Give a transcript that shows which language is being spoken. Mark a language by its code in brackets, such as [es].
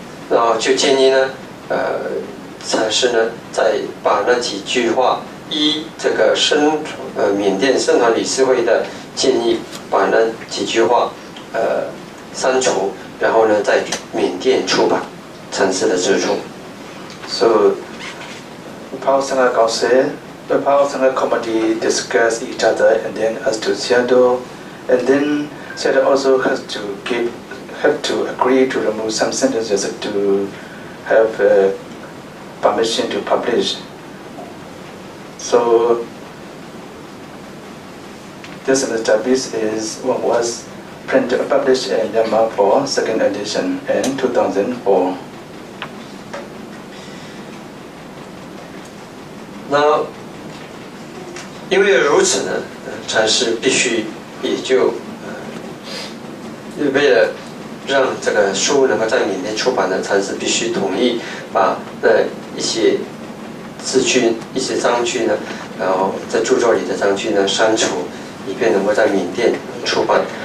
[zh] 然后就建议呢，禅师呢，再把那几句话依这个缅甸生团理事会的建议，把那几句话删除，然后呢，在缅甸出版。 [en] So, Pao Sangha Council, Pao Sangha Committee discuss each other and then ask to Shandor, and then Shandor also has to agree to remove some sentences to have permission to publish. So, this masterpiece was printed and published in Myanmar for second edition in 2004. [zh] 那因为如此呢，禅师必须也就为了让这个书能够在缅甸出版的，禅师必须同意把那一些字句、一些章句呢，然后在著作里的章句呢删除，以便能够在缅甸出版。